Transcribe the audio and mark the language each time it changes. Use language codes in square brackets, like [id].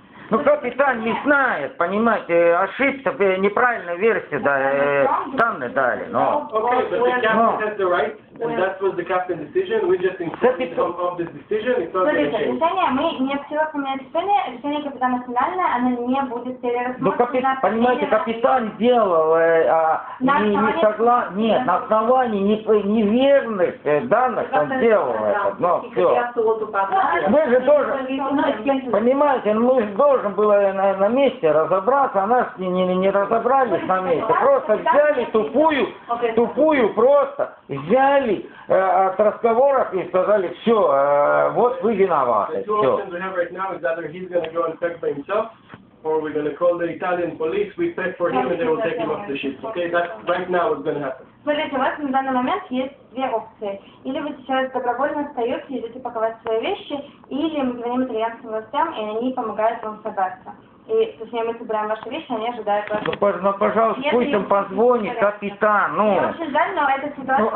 [ru] Ну, капитан не знает, понимаете, ошибся, неправильная версия, да, данные дали, но... [en] Okay, but the captain has the right, and that was the captain's decision, we just informed him of this decision, it's not going to change. [ru] Смотрите, решение, мы не все поменяем решение, решение капитана финальное, оно не будет перерассмотрено. Ну, понимаете, капитан делал, а не согласен, нет, на основании неверных данных он делал это, но все. Мы же тоже, понимаете, мы же тоже... Должен было на месте разобраться, а нас не разобрались на месте. Просто взяли тупую просто взяли от разговоров и сказали, все, вот вы виноваты. Все. [en] Or we're going to call the Italian police, we pay for him and they will take him off the ship. Okay, that's right now what's going to happen. [ru] Смотрите, у вас на данный момент есть две опции. Или вы сейчас добровольно остаетесь, идете паковать свои вещи, или мы звоним итальянским властям, и они помогают вам собраться. И, точнее, мы собираем ваши вещи, они ожидают вас. Ну, пожалуйста, пусть им позвонит, капитан, ну. Я очень жаль, но эта ситуация...